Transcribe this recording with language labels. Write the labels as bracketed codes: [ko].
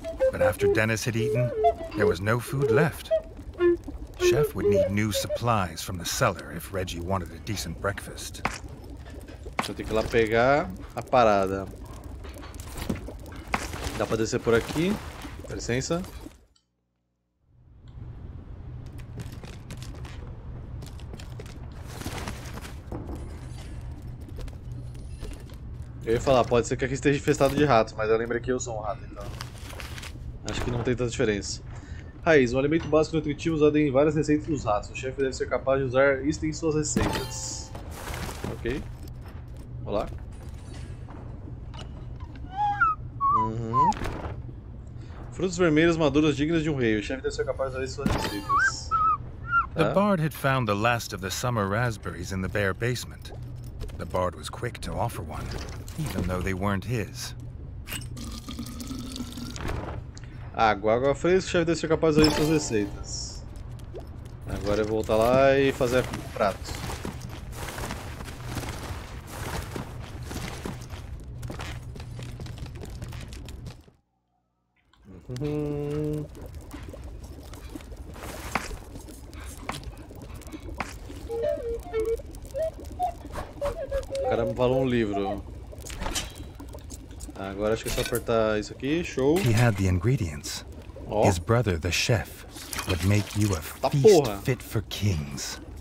[en] But after Dennis had eaten, there was no food left. Chef would need new supplies from the cellar if Reggie wanted a decent breakfast. [pt] Deixa eu ter que ir lá pegar a parada. Dá pra descer por aqui? Dá licença. Eu ia falar, pode ser que aqui esteja infestado de ratos, mas eu lembrei que eu sou um rato, então. Acho que não tem tanta diferença. Raiz, um alimento básico e nutritivo usado em várias receitas dos ratos. O chefe deve ser capaz de usar isso em suas receitas. Ok. Olá. Uhum. Frutos vermelhos maduros dignas de um rei. O chefe deve ser capaz de usar isso em suas receitas. Tá? [en] The bard had found the last of the summer raspberries in the bare basement. The bard was quick to offer one, even though they weren't his. [pt] Água fresca, o chefe deve ser capaz de fazer suas receitas. Agora eu vou voltar lá e fazer prato. O cara me falou um livro. Agora acho que é só apertar isso aqui, show. [en] He had the ingredients. Oh. His brother, the chef, would make you a feast fit for kings.